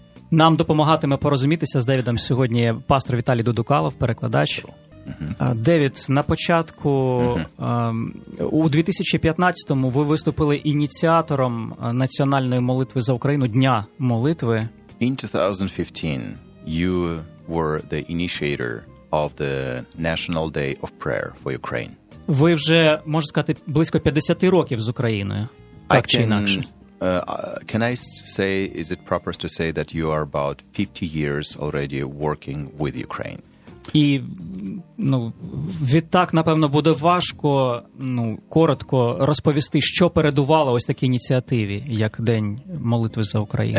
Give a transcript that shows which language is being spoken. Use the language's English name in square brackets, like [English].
[Ukrainian] Нам допомагатиме порозумітися з Девідом сьогодні пастор Віталій Додукалов, перекладач. Девід, на початку, у 2015-му ви виступили ініціатором національної молитви за Україну, Дня молитви. [English] In 2015, you were the initiator of the National Day of Prayer for Ukraine. [Ukrainian] Ви вже, можна сказати, близько 50 років з Україною, так чи інакше. [English] Can I say, is it proper to say that you are about 50 years already working with Ukraine? [Ukrainian] І, ну, відтак, напевно, буде важко, ну, коротко розповісти, що передувало ось такій ініціативі, як День молитви за Україну.